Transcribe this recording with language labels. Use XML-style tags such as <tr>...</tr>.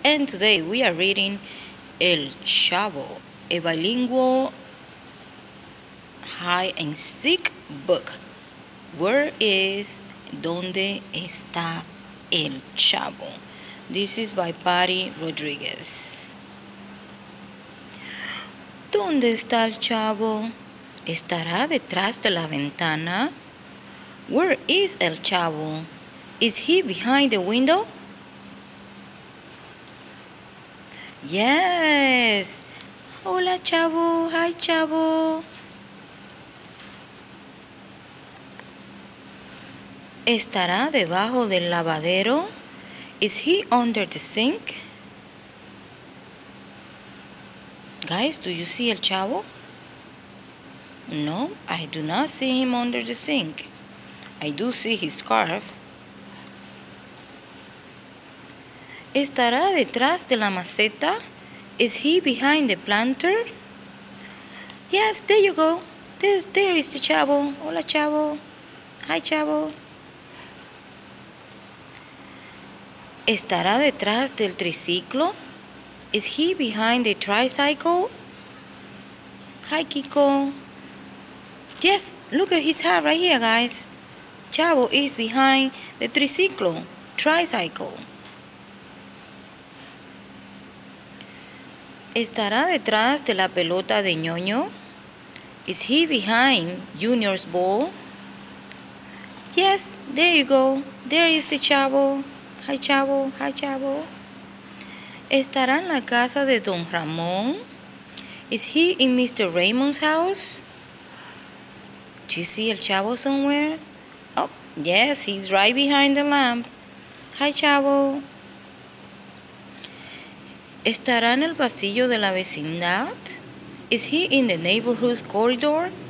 <en>And today we are reading El Chavo, a bilingual hide and seek book. Where is Donde Está El Chavo? This is by Patty Rodriguez.</en> <es>¿Dónde está el chavo? ¿Estará detrás de la ventana?</es> <en>Where is El Chavo? Is he behind the window? Yes!</en> <es>Hola, Chavo.</es> <en>Hi, Chavo.</en> <es>¿Estará debajo del lavadero?</es> <en>Is he under the sink? Guys, do you see El Chavo? No, I do not see him under the sink. I do see his scarf.</en> <es>¿Estará detrás de la maceta?</es> <en>Is he behind the planter? Yes, there you go. There is the Chavo.</en> <es>Hola, Chavo.</es> <en>Hi, Chavo.</en> <es>¿Estará detrás del triciclo?</es> <en>Is he behind the tricycle? Hi, Kiko. Yes, look at his hat right here, guys. Chavo is behind the tricycle.</en> <es>¿Estará detrás de la pelota de ñoño?</es> <en>Is he behind Junior's ball? Yes, there you go. There is the Chavo. Hi, Chavo. Hi, Chavo.</en> <es>¿Estará en la casa de Don Ramón?</es> <en>Is he in Mr. Raymond's house? Do you see El Chavo somewhere? Yes, he's right behind the lamp. Hi, Chavo.</en> <es>¿Estará en el pasillo de la vecindad?</es> <en>Is he in the neighborhood's corridor?</en>